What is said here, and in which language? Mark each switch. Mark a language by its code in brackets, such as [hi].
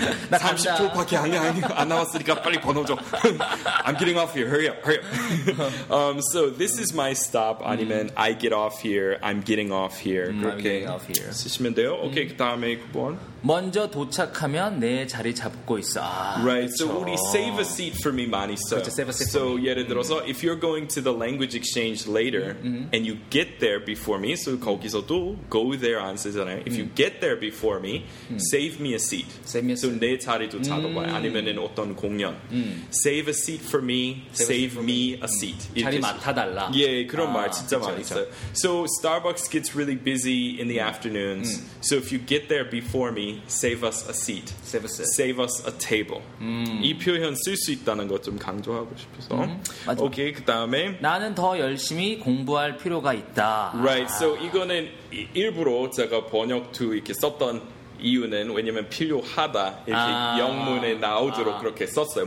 [ko] 30초밖에 안 나왔으니까 빨리 번호 줘. [en] I'm getting off here. Hurry up. Hurry up. So this is my stop. [ko] 아니면 [en] I get off here. I'm getting off here. [ko] 그렇게 쓰시면 돼요. 오케이. [en] Okay, [ko] 그다음에 9번. 먼저 도착하면 내 자리 잡고 있어. 아, [en] right. [ko] 그렇죠. [en] So would he save a seat for me [ko] 많이 써요. 그렇죠, [en] save a seat so for me. 예를 들어서 if you're going to the language exchange later and you get there before me. So [ko] 거기서도 [en] go there [ko] 안 쓰잖아요. [en] If you get there before me, save me a seat. Save me a seat. [ko] So 내 자리도 잡아봐요. 아니면은 어떤 공연. [en] Save a seat for me. Save me a seat. [ko] 자리 맡아달라. 예, 그런 말 진짜 많이 써요. [en] So Starbucks gets really busy in the afternoons. So if you get there before me, save us a seat. Save a seat. Save us a table. [ko] 이 표현 쓸 수 있다는 것 좀 강조하고 싶어서. 오케이, 그다음에 나는 더 열심히 공부할 필요가 있다. Right. So 이거는 일부러 제가 번역 to 이렇게 썼던 이유는 왜냐면 필요하다 이렇게 영문에 나오도록 그렇게 썼어요.